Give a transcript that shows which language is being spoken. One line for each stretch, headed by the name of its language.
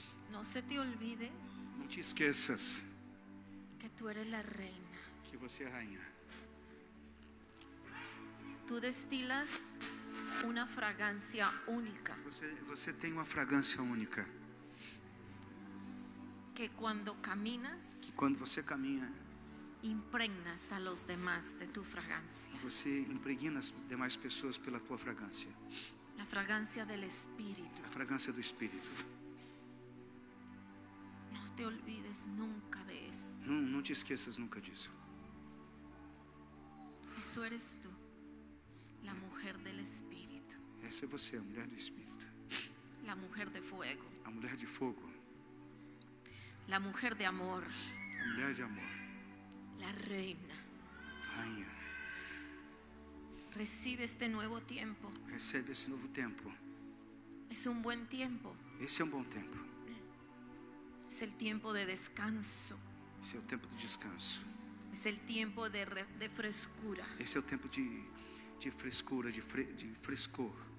Spanish: No se te olvide.
Portuguese: No te esqueças.
Spanish: Que tú eres la reina.
Portuguese: Que você é a rainha.
Spanish: Tú destilas una fragancia única.
Portuguese: Você tem uma fragrância única.
Spanish: Que cuando caminas.
Portuguese: Que quando você caminha.
Spanish: Impregnas a los demás de tu fragancia.
Portuguese: Você impregna as demais pessoas pela tua fragrância.
Spanish: La fragancia del espíritu.
Portuguese: A fragrância do espírito.
Spanish: No te olvides nunca de esto.
Portuguese: Não te esqueças nunca disso.
Spanish: Eso eres tú, la mujer del espíritu.
Portuguese: Essa é você, a mulher do espírito.
Spanish: La mujer de fuego.
Portuguese: A mulher de fogo.
Spanish: La mujer de amor.
Portuguese: A mulher de amor.
Spanish: La reina.
Portuguese: Rainha.
Spanish: Recibe este nuevo tiempo.
Portuguese: Recebe esse novo tempo.
Spanish: Es un buen tiempo.
Portuguese: Esse é um bom tempo.
Spanish: Es el tiempo de descanso.
Portuguese: Esse é o tempo de descanso.
Spanish: Es el tiempo de frescura.
Portuguese: Esse é o tempo de frescura, de frescor.